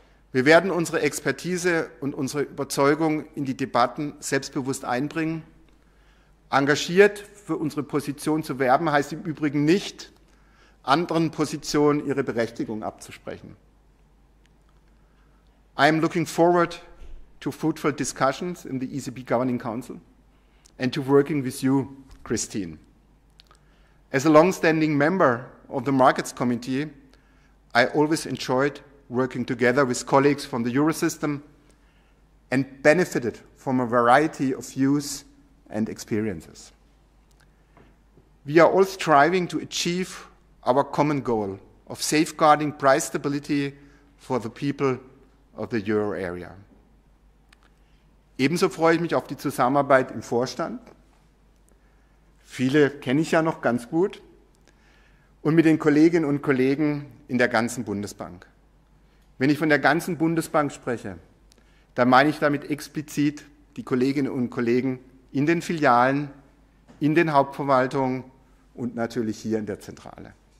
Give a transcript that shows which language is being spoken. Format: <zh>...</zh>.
<de>Wir werden unsere Expertise und unsere Überzeugung in die Debatten selbstbewusst einbringen. Engagiert für unsere Position zu werben, heißt im Übrigen nicht, anderen Positionen ihre Berechtigung abzusprechen.</de> <en>I am looking forward to fruitful discussions in the ECB Governing Council and to working with you, Christine. As a long-standing member of the Markets Committee, I always enjoyed working together with colleagues from the Eurosystem and benefited from a variety of views and experiences. We are all striving to achieve our common goal of safeguarding price stability for the people of the Euro area.</en> <de>Ebenso freue ich mich auf die Zusammenarbeit im Vorstand. Viele kenne ich ja noch ganz gut. Und mit den Kolleginnen und Kollegen in der ganzen Bundesbank. Wenn ich von der ganzen Bundesbank spreche, dann meine ich damit explizit die Kolleginnen und Kollegen in den Filialen, in den Hauptverwaltungen und natürlich hier in der Zentrale.</de>